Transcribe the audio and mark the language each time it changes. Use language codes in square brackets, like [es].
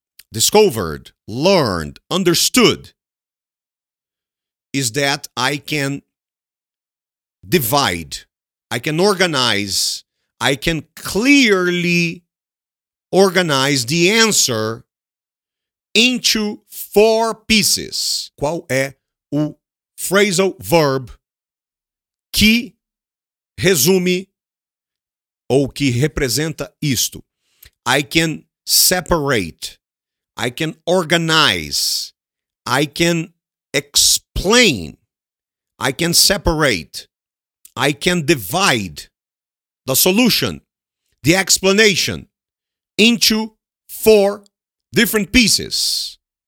[en] Discovered, learned, understood, is that I can divide, I can organize, I can clearly organize the answer into four pieces. [pt] Qual é o phrasal verb que resume ou que representa isto? [en] I can separate. I can organize, I can explain, I can separate, I can divide the solution, the explanation into four different pieces.